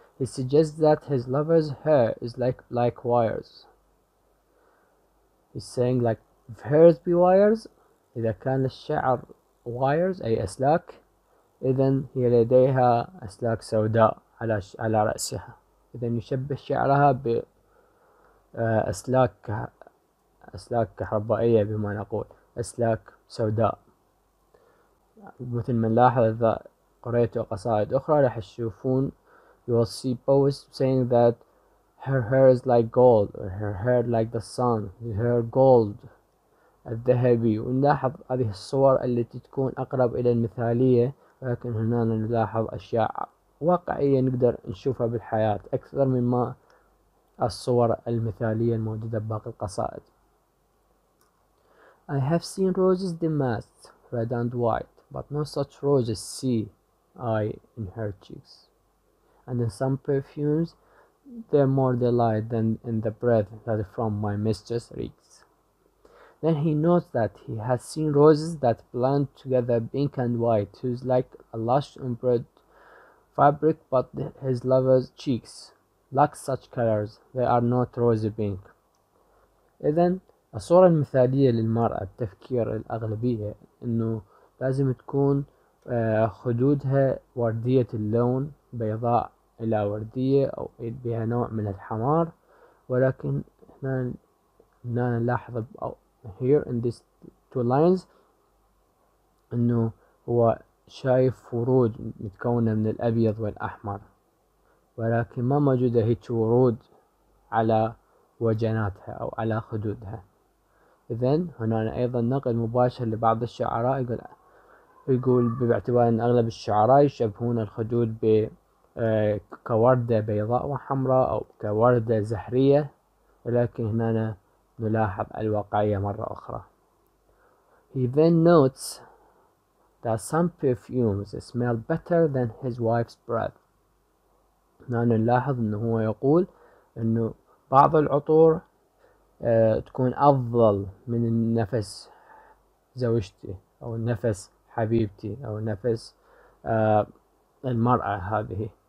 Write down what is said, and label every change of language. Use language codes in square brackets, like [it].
[en] He suggests that his lover's hair is like wires. He's saying like if hairs be wires, [ar] إذا كان الشعر wires أي أسلاك، إذن هي لديها أسلاك سوداء على رأسها. إذا يشبه شعرها بأسلاك كهربائية، بما نقول أسلاك سوداء. مثل ما نلاحظ إذا قرأت قصائد أخرى راح تشوفون [en] you will see poets saying that her hair is like gold or her hair like the sun, her hair gold الذهبي. [ar] ونلاحظ هذه الصور التي تكون أقرب إلى المثالية، ولكن هنا نلاحظ أشياء واقعية نقدر نشوفها بالحياة أكثر مما الصور المثالية الموجودة بباقي القصائد. [en] I have seen roses damask, red and white, but no such roses see I in her cheeks. And in some perfumes, they're more delight than in the breath that from my mistress reeks. Then he notes that he has seen roses that blend together pink and white, who's like a lush embroidered fabric, but his lover's cheeks lack such colors. They are not rosy pink. [ar] إذن الصورة المثالية للمرأة بتفكير الأغلبية إنه لازم تكون خدودها وردية اللون، بيضاء إلى وردية أو بها نوع من الحمار، ولكن هنا نلاحظ أو [en] here in these two lines [ar] إنه هو شايف ورود متكونة من الأبيض والأحمر، ولكن ما موجودة هيك ورود على وجناتها أو على خدودها. إذن هنا أيضا نقل مباشر لبعض الشعراء، يقول باعتبار أن أغلب الشعراء يشبهون الخدود كوردة بيضاء وحمراء أو كوردة زهرية، ولكن هنا نلاحظ الواقعية مرة أخرى. [en] He then notes that some perfumes smell better than his wife's breath. [ar] هنا نلاحظ أنه هو يقول أنه بعض العطور تكون أفضل من نفس زوجتي أو نفس حبيبتي أو نفس المرأة هذه.